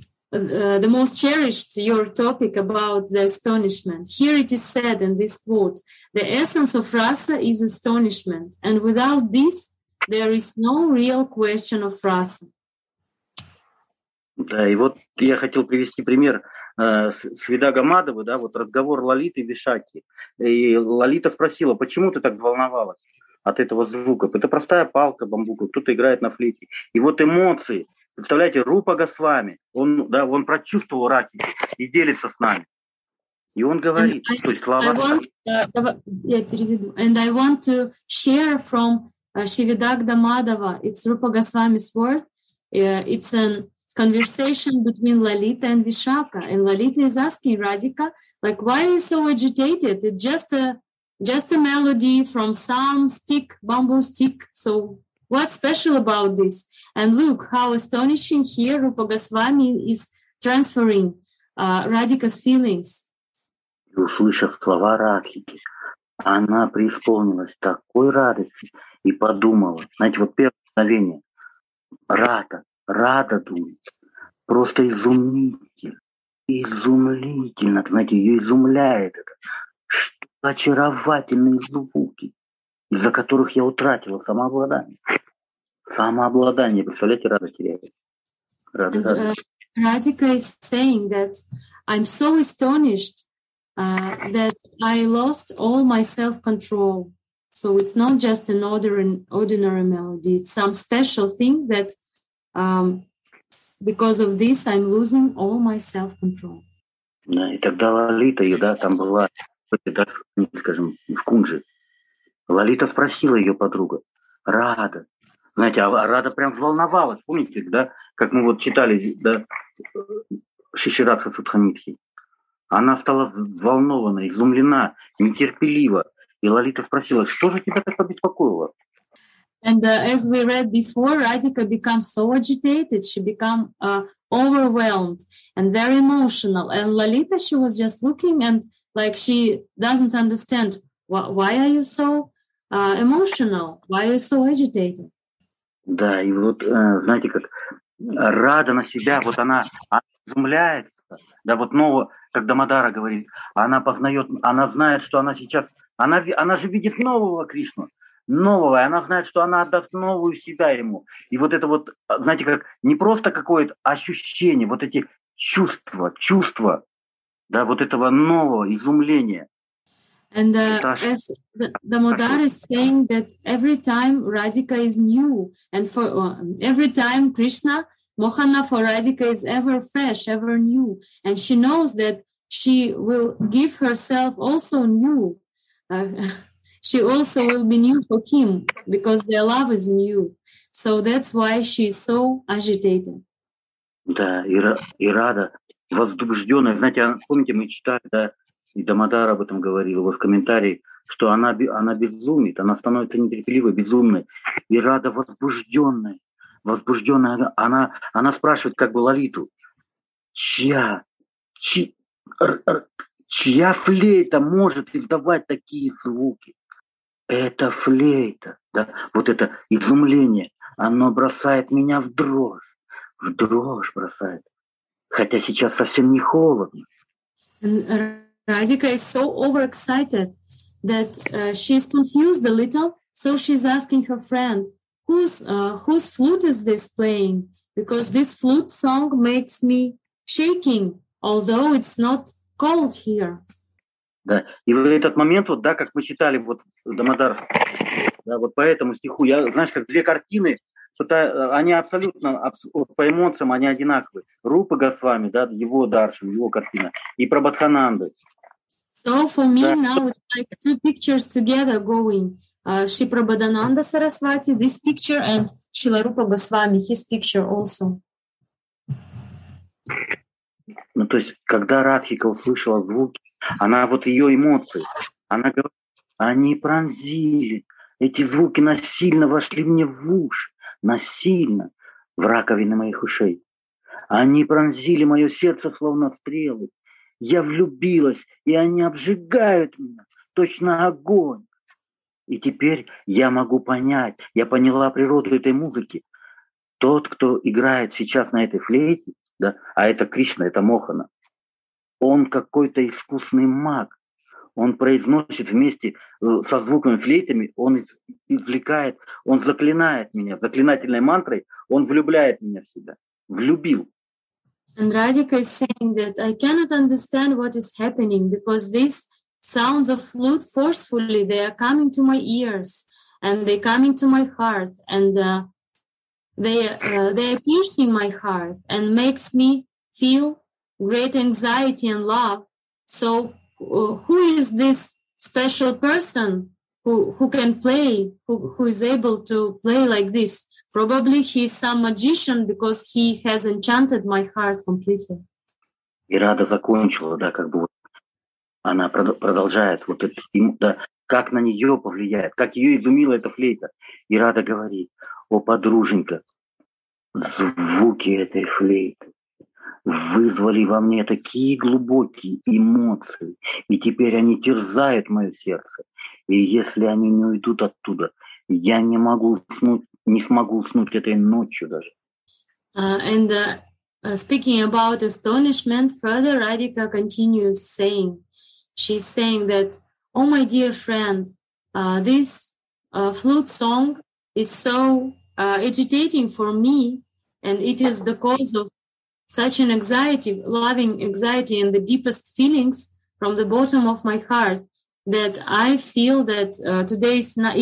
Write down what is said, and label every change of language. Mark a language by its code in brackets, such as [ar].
[en] the most cherished, your topic about the astonishment. Here it is said in this quote, the essence of rasa is astonishment, and without this, there is no real question of rasa. [ru] Да, и вот я хотел привести пример Свидагамадовы, да, вот разговор Лолиты и Вишаки. И Лолита спросила, почему ты так волновалась от этого звука? Это простая палка бамбука, кто-то играет на флейте. И вот эмоции. Представляете, Рупа Госвами, он, да, он прочувствовал раки и делится с нами. И он говорит, [en] and [ru] то [en] I, [ru] есть слова. [en] And I want to share from Shivadagda Madhava. It's Rupa Goswami's word. It's a conversation between Lalita and Vishaka. And Lalita is asking Radhika, like, why are you so agitated? It's just a melody from some stick, bamboo stick. So what's special about this? And look how astonishing here Rupa Goswami is transferring Radhika's feelings. [ru] Услышав слова Радхики, она преисполнилась такой радости и подумала, знаете, вот первое мгновение, рада, рада думает, просто изумительно, изумительно, знаете, ее изумляет это, что очаровательные звуки, из-за которых я утратила самообладание. Самообладание, представляете, радость теряет. [en] Radhika is saying that I'm so astonished that I lost all my self-control. So it's not just an ordinary melody. It's some special thing that because of this I'm losing all my self-control. [ru] Да, и тогда Лолита, да, там была, да, скажем, в Кунже. Лолита спросила ее подруга, Рада. Знаете, Рада прям волновалась, помните, да, как мы вот читали, да, Шишираса Судханитхи. Она стала взволнована, изумлена, нетерпелива. И Лолита спросила, что же тебя так обеспокоило? [en] And as we read before, Radhika becomes so agitated, she becomes overwhelmed and very emotional. And Lolita, she was just looking and like she doesn't understand, why are you so emotional, why are you so agitated? [ru] Да, и вот, знаете, как рада на себя, вот она изумляется, да, вот, но, как Дамодара говорит, она познает, она знает, что она сейчас, она же видит нового Кришну, нового, и она знает, что она отдаст новую себя ему. И вот это вот, знаете, как не просто какое-то ощущение, вот эти чувства, чувства, да, вот этого нового изумления. [en] And as the Dhammadhara is saying that every time Radhika is new, and for every time Krishna, Mohana for Radhika is ever fresh, ever new. And she knows that she will give herself also new. She also will be new for him, because their love is new. So that's why she is so agitated. [ru] Да, и рада, возбужденная. Знаете, помните, мы читали, да, и Дамодара об этом говорил, его в комментарии, что она безумит, она становится нетерпеливой, безумной. И рада возбужденной. Возбужденная, она спрашивает, как бы Лолиту, чья флейта может издавать такие звуки? Это флейта, да, вот это изумление, оно бросает меня в дрожь. В дрожь бросает. Хотя сейчас совсем не холодно. [en] Radhika is so overexcited that she's confused a little. So she's asking her friend, whose flute is this playing? Because this flute song makes me shaking, although it's not cold here. [ru] Да, и в этот момент, вот, да, как мы читали, вот, Дамодар, да, вот по этому стиху, я, знаешь, как две картины, они абсолютно по эмоциям, они одинаковые. Рупа Госвами, да, его Даршан, его картина, и Прабхатхананды. [en] So for me now it's like two pictures together going. Shri Prabhadananda Sarasvati, this picture, and Srila Rupa Goswami, his picture also. [ru] Ну, то есть, когда Радхика услышала звуки, она вот ее эмоции, она говорит, они пронзили, эти звуки насильно вошли мне в уши, насильно в раковины моих ушей. Они пронзили мое сердце, словно стрелы. Я влюбилась, и они обжигают меня, точно огонь. И теперь я могу понять, я поняла природу этой музыки. Тот, кто играет сейчас на этой флейте, да, а это Кришна, это Мохана, он какой-то искусный маг. Он произносит вместе со звуками флейтами, он извлекает, он заклинает меня заклинательной мантрой, он влюбляет меня в себя. Влюбил. [en] And Radhika is saying that I cannot understand what is happening because these sounds of flute forcefully, they are coming to my ears and they come into my heart and they are piercing my heart and makes me feel great anxiety and love. So who is this special person who can play, who is able to play like this? Probably he's some magician because he has enchanted my heart completely. [ru] И Рада закончила, да, как бы вот, она продолжает вот это, да, как на нее повлияет, как ее изумила эта флейта. И Рада говорит: о, подруженька, звуки этой флейты вызвали во мне такие глубокие эмоции, и теперь они терзают мое сердце. И если они не уйдут оттуда, я не могу уснуть. Не смогу уснуть этой ночью даже. [en] And speaking about astonishment, further Radhika continues saying, she's saying that, oh my dear friend, this flute song is so agitating for me, and it is the cause of such an anxiety, loving anxiety and the deepest feelings from the bottom of my heart that I feel that today's